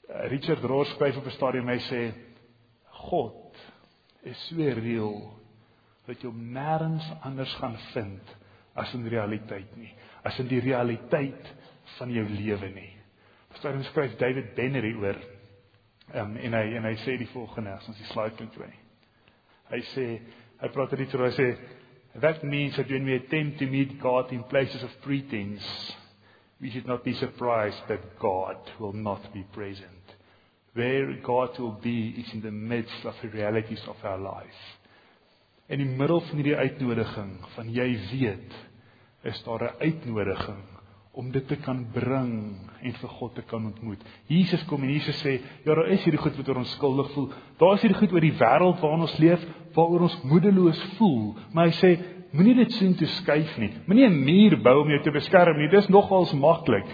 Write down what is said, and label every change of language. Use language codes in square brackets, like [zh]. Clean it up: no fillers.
[af] Richard Rohr skryf op 'n stadium, hy sê, God is so reëel, dat jy hom nêrens anders gaan vind, as in realiteit nie. As in die realiteit van jou lewe nie. Daarom skryf David Benner oor, en hy sê die volgende, as ons die slide kan kry. Hy praat, [en] that means that when we attempt to meet God in places of pretense, we should not be surprised that God will not be present. Where God will be is in the midst of the realities of our lives. [af] In die middel van die uitnodiging van jy weet, is daar 'n uitnodiging om dit te kan bring en vir God te kan ontmoet. Jesus kom en Jesus sê, ja, daar is hierdie goed wat oor ons skuldig voel, daar is hierdie goed oor die wêreld waarin ons leef, waaroor ons moedeloos voel, maar hy sê, moenie dit sien toe skuif nie, moenie 'n muur bou om jou te beskerm nie, dis nogals maklik.